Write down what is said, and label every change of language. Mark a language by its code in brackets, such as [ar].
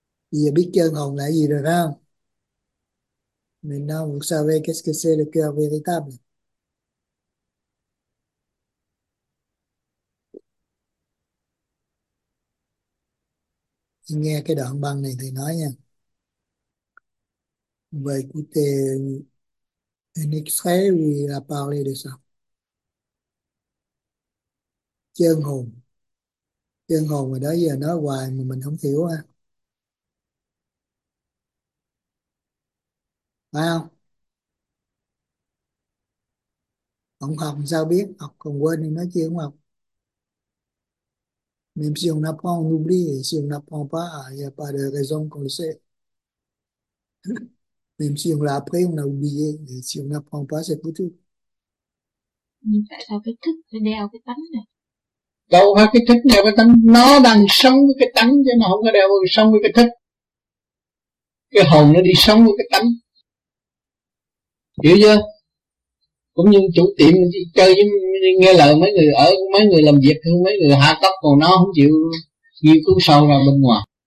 [vi] Il a biết chân hồn là gì rồi không? [fr] Maintenant, vous savez qu'est-ce que c'est le cœur véritable. [vi] Nghe cái đoạn băng này thì nói nha. [fr] Vous écoutez un extrait où il a parlé de ça. [vi] Chân hồn. Chân hồn mà đó giờ nói hoài mà mình không hiểu ha. Phải không? Không học sao biết, học còn quên thì nói chi không học. [fr] Même si on apprend, on oublie, et si on n'apprend pas, il n'y a pas de raison qu'on le sait. Même si on l'a appris, on a oublié, et si on n'apprend pas, c'est foutu. [vi] Nhưng tại sao cái thức nó đeo cái tánh này? Đâu phải cái thức đeo cái tánh, nó đang sống với cái tánh chứ nó không có đeo sống với cái thức. Cái hồn nó đi sống với cái tánh, hiểu chưa? Cũng như chủ tiệm đi chơi với, nghe lời mấy người ở, mấy người làm việc, mấy người hạ cấp, còn nó không chịu nghiên cứu sâu ra bên ngoài.